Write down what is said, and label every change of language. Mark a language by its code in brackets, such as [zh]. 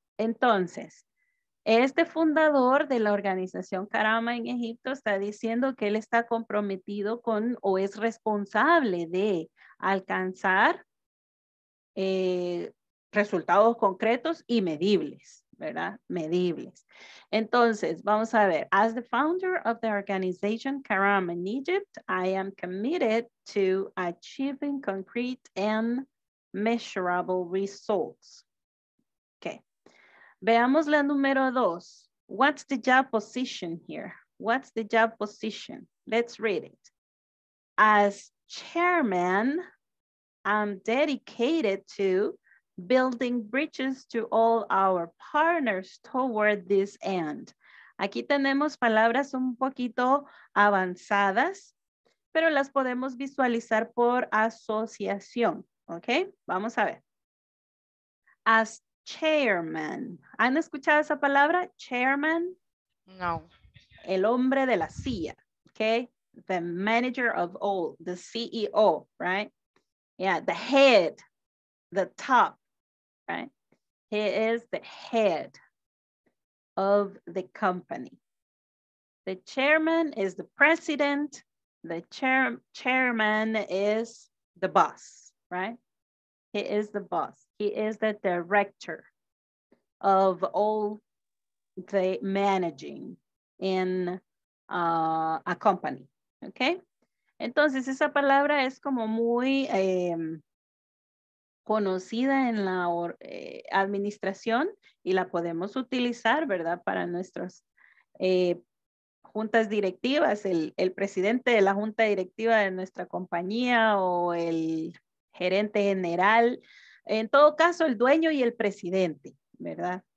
[es] Entonces, este fundador de la organización Karama en Egipto está diciendo que él está comprometido con o es responsable de alcanzar resultados concretos y medibles, ¿verdad? Medibles. Entonces, vamos a ver. [en] As the founder of the organization Karama in Egypt, I am committed to achieving concrete and measurable results. Okay. [es] Veamos la número dos. [en] What's the job position here? What's the job position? Let's read it. As chairman, I'm dedicated to building bridges to all our partners toward this end. [es] Aquí tenemos palabras un poquito avanzadas, pero las podemos visualizar por asociación, okay? Vamos a ver. [en] As chairman. [es] ¿Han escuchado esa palabra? Chairman? No. El hombre de la silla, [en] okay? The manager of all, the CEO, right? Yeah, the head, the top. Right? He is the head of the company. The chairman is the president. The chairman is the boss, right? He is the boss. He is the director of all the managing in a company, okay? [es] Entonces, esa palabra es como muy... conocida en la administración y la podemos utilizar, ¿verdad? Para nuestras juntas directivas, el presidente de la junta directiva de nuestra compañía o el gerente general, en todo caso, el dueño y el presidente, ¿verdad?